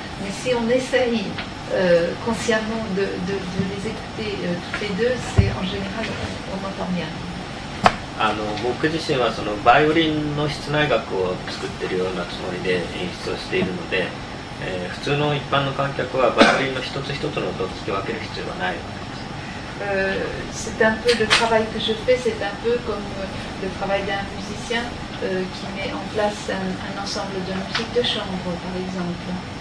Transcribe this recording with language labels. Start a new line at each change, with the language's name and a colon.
French: Mais si on essaye consciemment de les écouter toutes les deux, c'est en général on n'entend rien.
Japanese: 僕自身はそのバイオリンの室内楽を作っているようなつもりで演出をしているので、普通の一般の観客はバイオリンの一つ一つの音を聞き分ける必要はないわけです。
French: C'est un peu le travail que je fais, c'est un peu comme le travail d'un musicien qui met en place un ensemble de musique de chambre, par exemple.